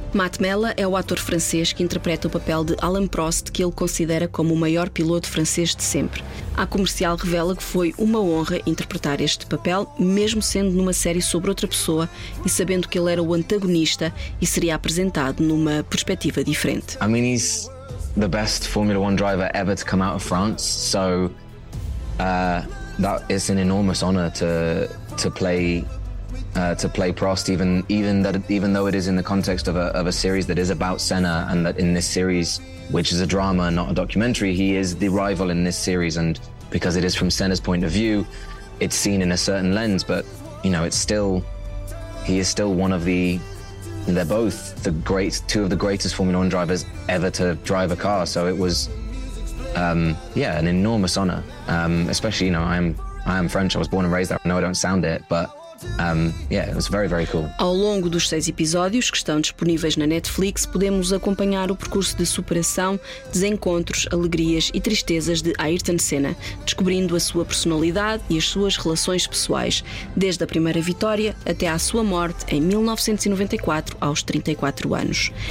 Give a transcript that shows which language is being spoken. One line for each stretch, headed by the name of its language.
Portuguese: Matt Mella é o ator francês que interpreta o papel de Alain Prost, que ele considera como o maior piloto francês de sempre. A Comercial revela que foi uma honra interpretar este papel, mesmo sendo numa série sobre outra pessoa e sabendo que ele era o antagonista e seria apresentado numa perspectiva diferente.
English: I mean, he's the best Formula One driver ever to come out of France, so that is an enormous honor to play Prost, even though it is in the context of a series that is about Senna, and that in this series, which is a drama and not a documentary, he is the rival in this series, and because it is from Senna's point of view, it's seen in a certain lens, but you know, he is still one of the, they're both the great, two of the greatest Formula One drivers ever to drive a car. So it was, an enormous honor. Especially, you know, I am French, I was born and raised there. I know I don't sound it, but it was very, very cool.
Portuguese: Ao longo dos 6 episódios que estão disponíveis na Netflix, podemos acompanhar o percurso de superação, desencontros, alegrias e tristezas de Ayrton Senna, descobrindo a sua personalidade e as suas relações pessoais, desde a primeira vitória até à sua morte em 1994, aos 34 anos.